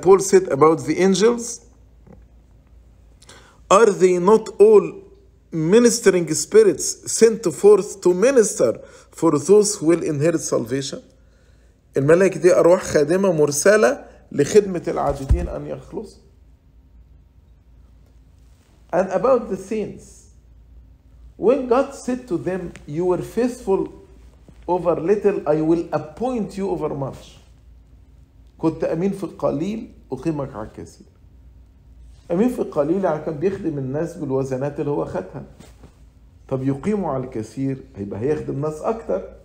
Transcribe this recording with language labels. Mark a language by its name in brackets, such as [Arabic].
[English] Paul said about the angels, are they not all ministering spirits sent forth to minister for those who will inherit salvation. [Arabic] الملائكة دي أرواح خادمة مرسلة لخدمة العابدين أن يخلصوا. [English] And about the saints, when God said to them, you were faithful over little, I will appoint you over much. [Arabic] كنت أمين في القليل أقيمك على الكثير. أمين في القليل يعني كان بيخدم الناس بالوزنات اللي هو خدها. طب يقيموا على الكثير هيبقى هيخدم ناس أكتر.